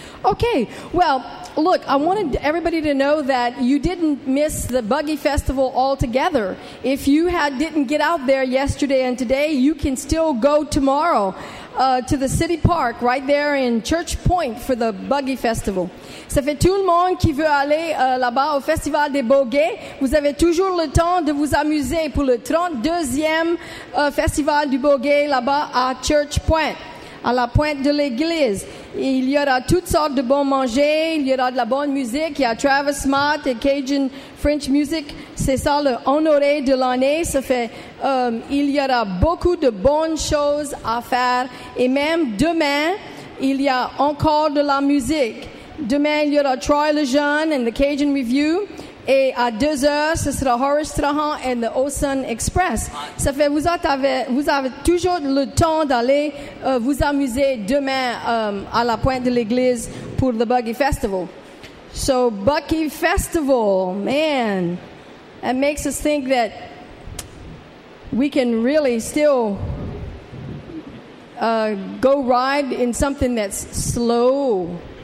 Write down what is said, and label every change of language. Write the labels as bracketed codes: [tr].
[en] Okay, well, look, I wanted everybody to know that you didn't miss the Buggy Festival altogether. If you had didn't get out there yesterday and today, you can still go tomorrow to the city park right there in Church Point for the Buggy Festival. [fr] Ça fait tout le monde qui veut aller là-bas au Festival des Bogues. Vous avez toujours le temps de vous amuser pour le 32e Festival du Bogues là-bas à Church Point. À la pointe de l'église, il y aura toutes sortes de bons manger, il y aura de la bonne musique, il y a Travis Smart et Cajun French Music, c'est ça le honoré de l'année, ça fait, il y aura beaucoup de bonnes choses à faire, et même demain, il y a encore de la musique, demain il y aura Troy Lejeune and the Cajun Review, et à 2h, ce sera Horace Trahan and the Osun Express. Ça fait que vous avez toujours le temps d'aller vous amuser demain à la pointe de l'église pour le Buggy Festival. [en] So, Buggy Festival, man, it makes us think that we can really still go ride in something that's slow.